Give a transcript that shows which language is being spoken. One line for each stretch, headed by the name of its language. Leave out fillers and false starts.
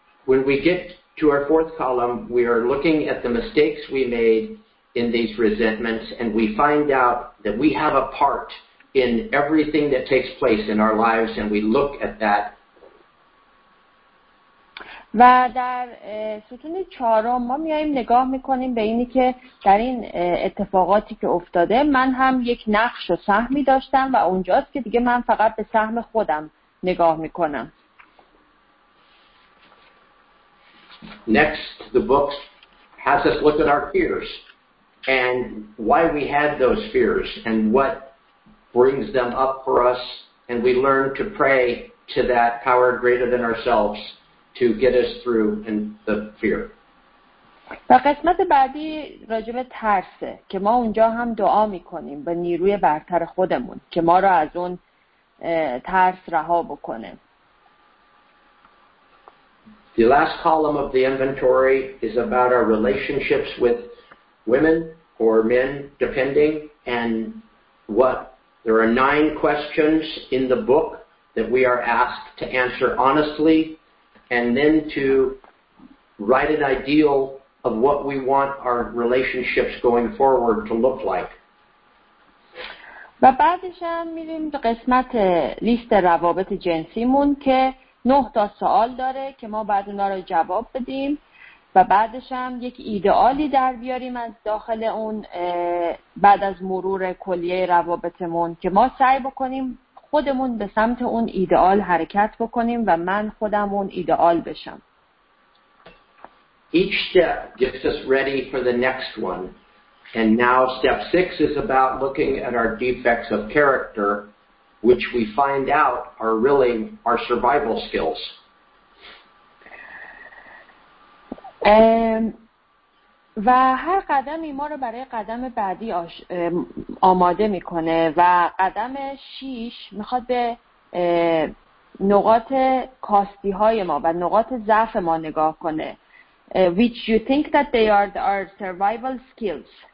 English: When we get to our fourth column, we are looking at the mistakes we made in these resentments, and we find out that we have a part in everything that takes place in our lives, and we look at that.
Persian: و در ستون چهارم ما میایم نگاه میکنیم به اینی که در این اتفاقاتی که افتاده من هم یک نقش و سهمی داشتم و اونجاست که دیگه من فقط به سهم خودم نگاه میکنم.
English: Next, the book has us look at our fears and why we had those fears and what brings them up for us, and we learn to pray to that power greater than ourselves to get us through in the fear.
Persian: و قسمت بعدی راجب ترسه که ما اونجا هم دعا میکنیم به نیروی برتر خودمون که ما را از اون ترس رها بکنه.
English: The last column of the inventory is about our relationships with women or men, depending, and what. There are 9 questions in the book that we are asked to answer honestly, and then to write an ideal of what we want our relationships going forward to look like.
Persian: و بعدش هم میریم به قسمت لیست روابط جنسیمون که 9 تا سوال داره که ما بعد اونا رو جواب بدیم و بعدش هم یک ایدئالی در بیاریم از داخل اون بعد از مرور کلیه روابطمون که ما سعی بکنیم خودمون به سمت اون ایدئال حرکت بکنیم و من خودم اون ایدئال بشم.
English: Each step gets us ready for the next one. And now step 6 is about looking at our defects of character, which we find out are really our survival skills.
Persian: و هر قدمی ما رو برای قدم بعدی آماده میکنه و قدم 6 میخواد به نقاط کاستی های ما و نقاط ضعف ما نگاه کنه.
English: Which you think that they are our survival skills?